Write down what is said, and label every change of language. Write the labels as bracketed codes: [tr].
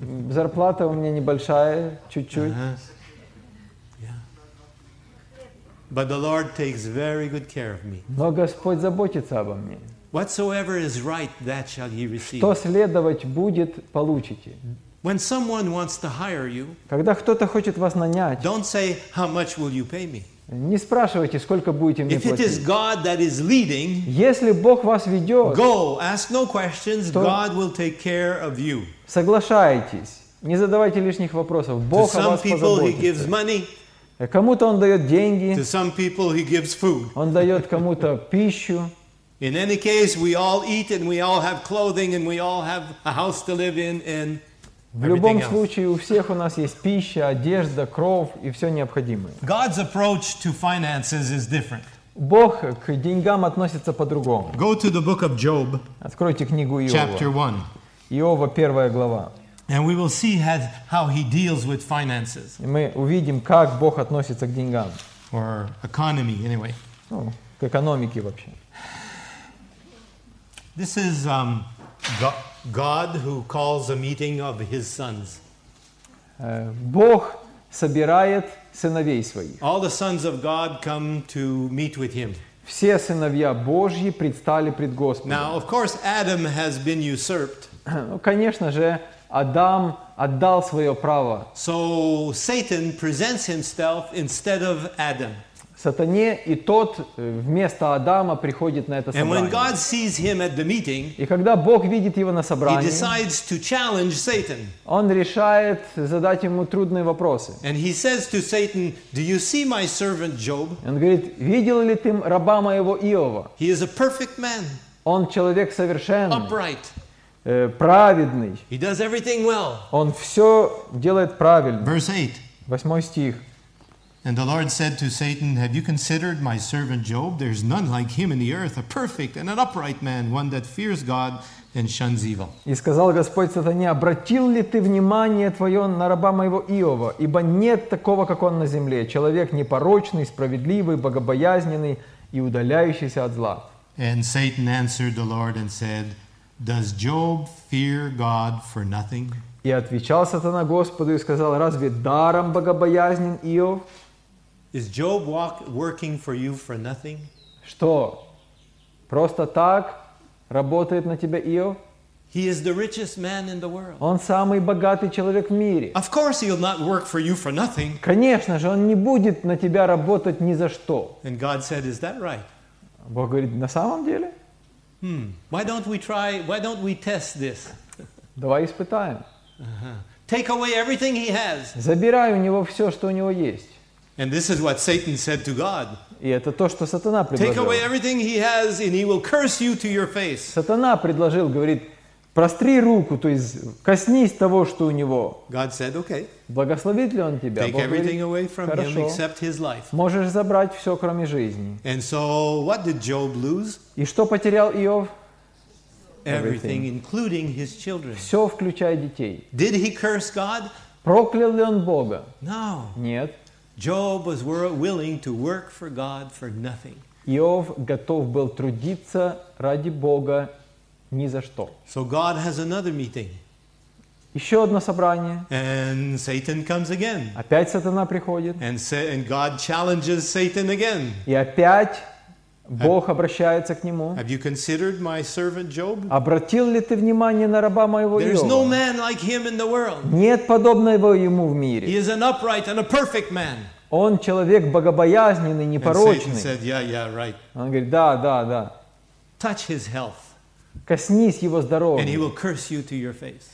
[ru] Зарплата у меня небольшая, чуть-чуть. Uh-huh. Yeah. [en] But the Lord takes very good care of me. [ru] Но Господь заботится обо мне. [en] Whatsoever is right, that shall he receive. [ru] Что следовать будет, получите. [en] When someone wants to hire you, [ru] когда кто-то хочет вас нанять, [en] don't say, how much will you pay me? [ru] Не спрашивайте, сколько будете мне [en] If [ru] платить. [en] It is God that is leading, [ru] если Бог вас ведет, [en] go, ask no questions, [ru] то [en] God will take care of you. [ru] Соглашайтесь, не задавайте лишних вопросов. Бог [en] to some [ru] о вас [en] people [ru] позаботится. [en] He gives money, [ru] кому-то Он дает деньги. [en] To some people he gives food. [ru] Он дает кому-то пищу. [en] In any case, we all eat and we all have clothing and we all have a house to live in and [ru] В любом случае, у всех у нас есть пища, одежда, кров и все необходимое. [en] God's approach to finances is different. [ru] Бог к деньгам относится по-другому. [en] Go to the book of Job, [ru] откройте книгу Иова. [en] Chapter 1. [ru] Иова, первая глава. [en] And we will see how he deals with finances. [ru] И мы увидим, как Бог относится к деньгам. [en] Or economy, anyway. [ru] Ну, к экономике вообще. [en] This is God who calls a meeting of his sons. [ru] Бог собирает сыновей своих. [en] All the sons of God come to meet with him. [ru] Все сыновья Божьи предстали пред Господом. [en] Now, of course, Adam has been usurped. [ru] Конечно же, Адам отдал свое право. [en] So Satan presents himself instead of Adam. [ru] Сатане и тот вместо Адама приходит на это собрание. [en] And when God sees him at the meeting, [ru] и когда Бог видит его на собрании, [en] he decides to challenge Satan. [ru] Он решает задать ему трудные вопросы. [en] And he says to Satan, "Do you see my servant Job?" [ru] Он говорит, видел ли ты раба моего Иова? [en] He is a perfect man. [ru] Он человек совершенный. [en] Upright. [ru] Праведный. [en] He does everything well. [ru] Он все делает правильно. [en] Verse 8. [ru] Восьмой стих. [en] And the Lord said to Satan, "Have you considered my servant Job? There's none like him in the earth, a perfect and an upright man, one that fears God and shuns evil." [ru] И сказал Господь Сатане, обратил ли ты внимание твое на раба моего Иова? Ибо нет такого, как он на земле, человек непорочный, справедливый, богобоязненный и удаляющийся от зла. [en] And Satan answered the Lord and said, "Does Job fear God for nothing?" [ru] И отвечал Сатана Господу и сказал, разве даром богобоязнен Иов? [en] Is Job working for you for nothing? [ru] Что? Просто так работает на тебя Иов? [en] He is the richest man in the world. [ru] Он самый богатый человек в мире. [en] Of course he'll not work for you for nothing. [ru] Конечно же, он не будет на тебя работать ни за что. [en] And God said, is that right? [ru] Бог говорит, на самом деле? [en] Why don't we test this? [ru] Давай испытаем. [en] Take away everything he has. [ru] Забирай у него все, что у него есть. [en] And this is what Satan said to God. [ru] И это то, что сатана предложил. [en] Take away everything he has, and he will curse you to your face. [ru] Сатана предложил, говорит, простри руку, то есть коснись того, что у него. [en] God said, okay. [ru] Благословит ли он тебя? [en] Take everything away from him except his life. [ru] Можешь забрать все, кроме жизни. [en] And so, what did Job lose? [ru] И что потерял Иов? [en] Everything, including his children. [ru] Все, включая детей. [en] Did he curse God? [ru] Проклял ли он Бога? [en] No. [ru] Нет. [en] Job was willing to work for God for nothing. [ru] Иов готов был трудиться ради Бога ни за что. [en] So God has another meeting. [ru] Еще одно собрание. [en] And Satan comes again. [ru] Опять сатана приходит. [en] And God challenges Satan again. [ru] И опять Бог обращается к нему. [en] Have you considered my servant Job? [ru] Обратил ли ты внимание на раба моего Иова? [en] There's no man like him in the world. [ru] Нет подобного ему в мире. [en] He is an upright and a perfect man. [ru] Он человек богобоязненный, непорочный. [en] And Satan said, yeah, yeah, right. [ru] Он говорит, да, да, да. [en] Touch his health. [ru] Коснись его здоровья. [en] And he will curse you to your face.